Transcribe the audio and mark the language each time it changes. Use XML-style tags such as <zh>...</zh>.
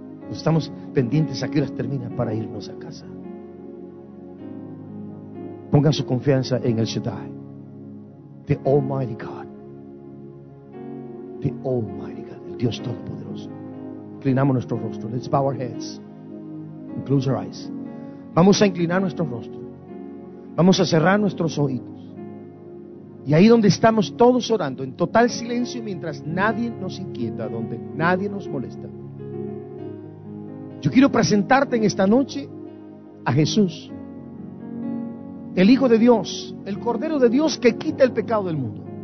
<es>Estamos pendientes a qué horas termina para irnos a casa. Pongan su confianza en el Shaddai.</es> <en>The Almighty God. The Almighty God,</en> <es>el Dios Todopoderoso. Inclinamos nuestro rostro.</es> <en>Let's bow our heads and close our eyes.</en> <es>Vamos a inclinar nuestro rostro. Vamos a cerrar nuestros oídos. Y ahí donde estamos todos orando, en total silencio, mientras nadie nos inquieta, donde nadie nos molesta. Yo quiero presentarte en esta noche a Jesús, el Hijo de Dios, el Cordero de Dios que quita el pecado del mundo.</es>